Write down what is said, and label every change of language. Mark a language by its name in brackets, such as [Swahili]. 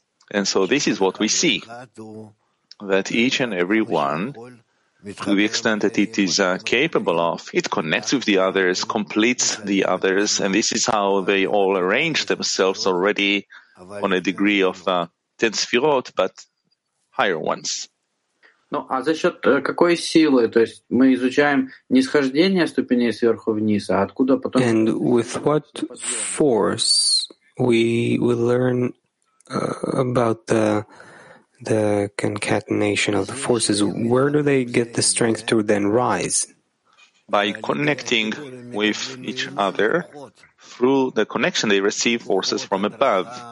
[English] And so this is what we see, that each and every one, to the extent that it is capable of, it connects with the others, completes the others, and this is how they all arrange themselves already on a degree of 10 sefirot, but higher ones. [Russian] Ну, а за счет какой силы? То есть мы изучаем не схождение ступеней сверху вниз, а откуда потом... [English] And with what force we learn about the concatenation of the forces, where do they get the strength to then rise? By connecting with each other through the connection, they receive forces from above.